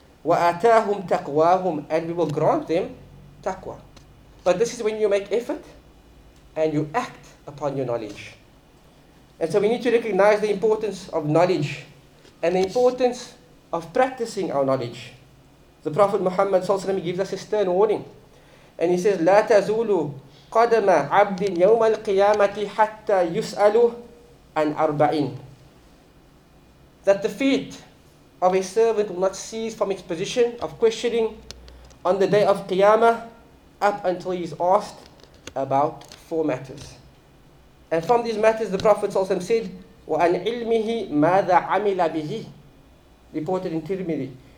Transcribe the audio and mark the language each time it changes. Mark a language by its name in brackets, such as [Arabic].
[Arabic] Wa atahum taqwahum. [English] And we will grant them taqwa. But this is when you make effort and you act upon your knowledge. And so we need to recognize the importance of knowledge and the importance of practicing our knowledge. The Prophet Muhammad sallallahu alaihi wasallam gives us a stern warning. And he says, [Arabic] La tazulu قدم عبد يوم القيامة حتى يسأله عن أربعين. [English] That the feet of a servant will not cease from its position of questioning on the day of Qiyamah up until he is asked about four matters. And from these matters, the Prophet ﷺ said, [Arabic] وَأَنْ عِلْمِهِ مَاذَا عَمِلَ بِهِ, [English] reported in Tirmidhi.